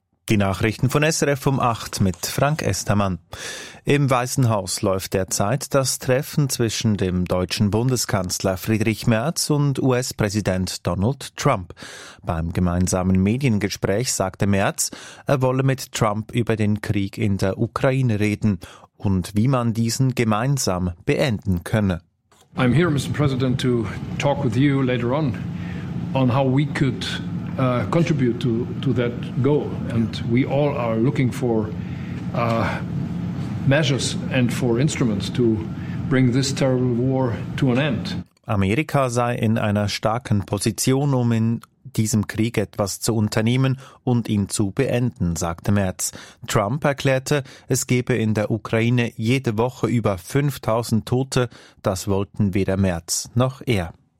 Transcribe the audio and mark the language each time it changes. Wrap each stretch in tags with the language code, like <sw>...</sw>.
<de>Die Nachrichten von SRF um 8 mit Frank Estermann. Im Weißen Haus läuft derzeit das Treffen zwischen dem deutschen Bundeskanzler Friedrich Merz und US-Präsident Donald Trump. Beim gemeinsamen Mediengespräch sagte Merz, er wolle mit Trump über den Krieg in der Ukraine reden und wie man diesen gemeinsam beenden könne.</de> <en>I'm here, Mr. President, to talk with you later on how we could contribute to that goal. And we all are looking for measures and for instruments to bring this terrible war to an end.</en> <de>Amerika sei in einer starken Position, um in diesem Krieg etwas zu unternehmen und ihn zu beenden, sagte Merz. Trump erklärte, es gebe in der Ukraine jede Woche über 5000 Tote. Das wollten weder Merz noch er.</de>